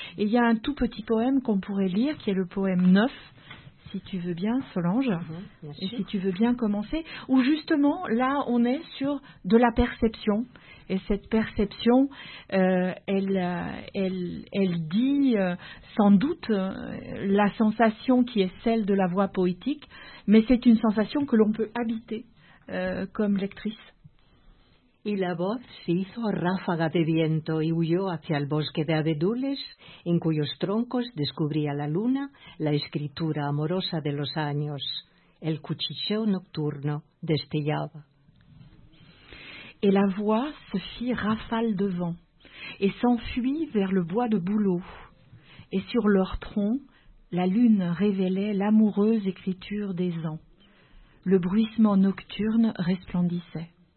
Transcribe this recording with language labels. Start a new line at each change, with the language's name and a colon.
French: Et il y a un tout petit poème qu'on pourrait lire qui est le poème 9. Si tu veux bien, Solange, et si tu veux bien commencer, où justement, là, on est sur de la perception. Et cette perception, elle dit sans doute la sensation qui est celle de la voix poétique, mais c'est une sensation que l'on peut habiter comme lectrice.
Spanish: Y la voz se hizo ráfaga de viento y huyó hacia el bosque de abedules, en cuyos troncos descubría la luna la escritura amorosa de los años. El cuchicheo nocturno destellaba.
French: Et la voix se fit rafale de vent et s'enfuit vers le bois de bouleau. Et sur leur tronc, la lune révélait l'amoureuse écriture des ans. Le bruissement nocturne resplendissait.